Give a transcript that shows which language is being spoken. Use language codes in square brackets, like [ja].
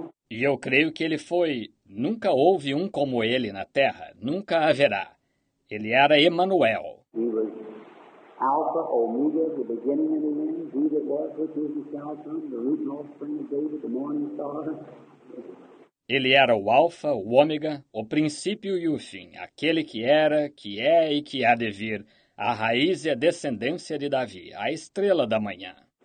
[pt] E eu creio que ele foi, nunca houve um como ele na Terra, nunca haverá. Ele era Emmanuel. [en] He was Alpha, Omega, the beginning and the end, he that was, which is, and shall come, the root and offspring of David, the morning star. [pt] Ele era o Alfa, o Ômega, o princípio e o fim, aquele que era, que é e que há de vir, a raiz e a descendência de Davi, a estrela da manhã.